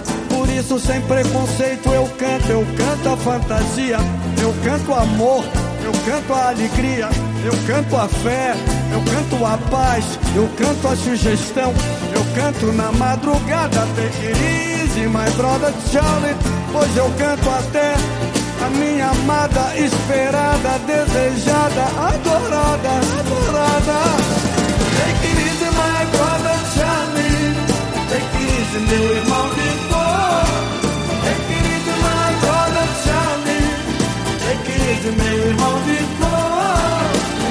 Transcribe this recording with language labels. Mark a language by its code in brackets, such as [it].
[pt] Por isso, sem preconceito, eu canto a fantasia, eu canto o amor, eu canto a alegria, eu canto a fé, eu canto a paz, eu canto a sugestão, eu canto na madrugada. [en] Take it easy, my brother Charlie, [pt] pois eu canto até a minha amada, esperada, desejada, adorada, adorada. [en] Take it easy, my brother Charlie. Take it easy, [pt] meu irmão de cor. [en] Take it easy, my brother Charlie. Take it easy, [pt] meu irmão de cor.